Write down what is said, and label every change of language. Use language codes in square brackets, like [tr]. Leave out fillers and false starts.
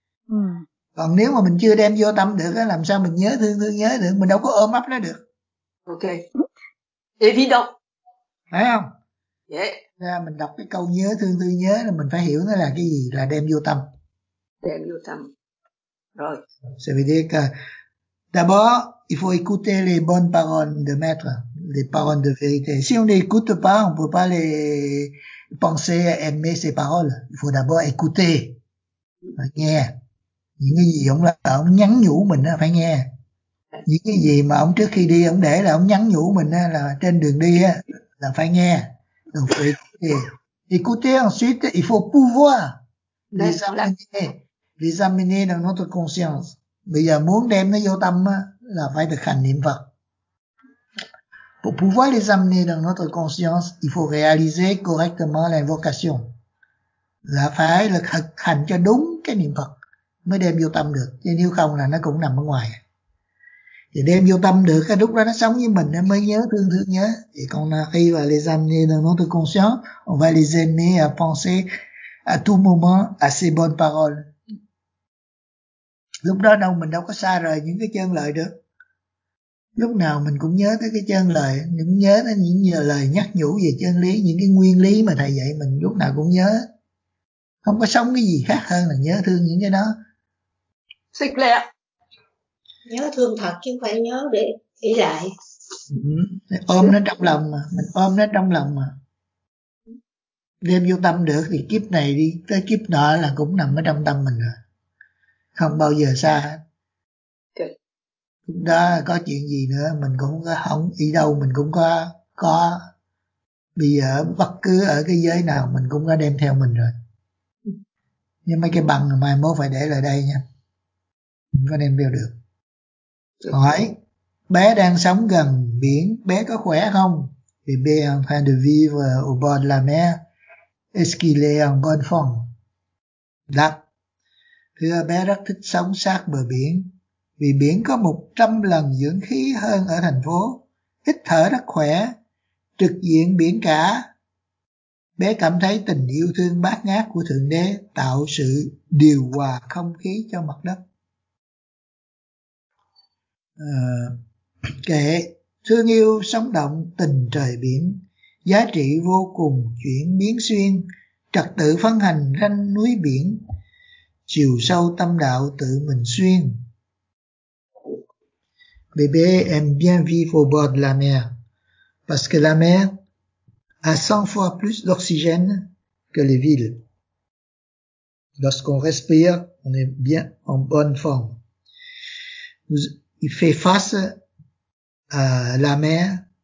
[vi] Ừ. Còn nếu mà mình chưa đem vô tâm được á, làm sao mình nhớ thương thương nhớ được, mình đâu có ôm ấp nó được. [fr] Ok. Évident. [vi] Phải không? Yeah. Ra mình đọc cái câu nhớ thương thương nhớ là mình phải hiểu nó là cái gì, là đem vô tâm. Đem vô tâm. Rồi. [fr] Ça veut dire que d'abord, il faut écouter les bonnes paroles de maître. Les paroles de vérité. Si on n'écoute pas, on peut pas les penser à aimer ces paroles. Il faut d'abord écouter. [vi] Phải nghe. Những cái gì ông là ông nhắn nhủ mình á, phải nghe. Những cái gì mà ông trước khi đi ông để là ông nhắn nhủ mình á, là trên đường đi á, là phải nghe. [fr] Donc, [vi] phải [fr] écouter. Écouter ensuite, il faut pouvoir les amener dans notre conscience. [vi] Bây giờ muốn đem nó vô tâm á, là phải thực hành niệm Phật. [fr] Pour pouvoir les amener dans notre conscience, il faut réaliser correctement l'invocation. [vi] Là phải là thực hành cho đúng cái niệm Phật mới đem vô tâm được. Chứ nếu không là nó cũng nằm ở ngoài. Thì đem vô tâm được, cái lúc đó nó sống với mình, nó mới nhớ thương thương nhớ. Thì [fr] quand on arrive à les amener dans notre conscience, on va les aimer à penser à tout moment à ces bonnes paroles. [vi] Lúc đó đâu mình đâu có xa rời những cái chân lời được. Lúc nào mình cũng nhớ tới cái chân lời, cũng nhớ tới những lời nhắc nhủ về chân lý, những cái nguyên lý mà thầy dạy mình lúc nào cũng nhớ. Không có sống cái gì khác hơn là nhớ thương những cái đó. [fr] C'est clair. [vi] Nhớ thương thật chứ không phải nhớ để ý lại. Ôm nó trong lòng mà, mình ôm nó trong lòng mà. Đem vô tâm được thì kiếp này đi, tới kiếp nọ là cũng nằm ở trong tâm mình rồi. Không bao giờ xa hết. Đó có chuyện gì nữa mình cũng có không đi đâu mình cũng có bây giờ bất cứ ở cái giới nào mình cũng có đem theo mình rồi, nhưng mấy cái bằng mai mốt phải để lại đây nha, mình có đem theo được. Hỏi bé đang sống gần biển, bé có khỏe không? Thì bé [fr] en train de vivre au bord de la mer, est-ce qu'il est en bonne forme? [vi] Đáp: thưa bé rất thích sống sát bờ biển, vì biển có 100 lần dưỡng khí hơn ở thành phố, hít thở rất khỏe, trực diện biển cả. Bé cảm thấy tình yêu thương bát ngát của Thượng Đế tạo sự điều hòa không khí cho mặt đất. Kệ, thương yêu sống động tình trời biển, giá trị vô cùng chuyển biến xuyên, trật tự phân hành ranh núi biển, chiều sâu tâm đạo tự mình xuyên. [fr] Bébé aime bien vivre au bord de la mer, parce que la mer a 100 fois plus d'oxygène que les villes. Lorsqu'on respire, on est bien en bonne forme. Il fait face à la mer.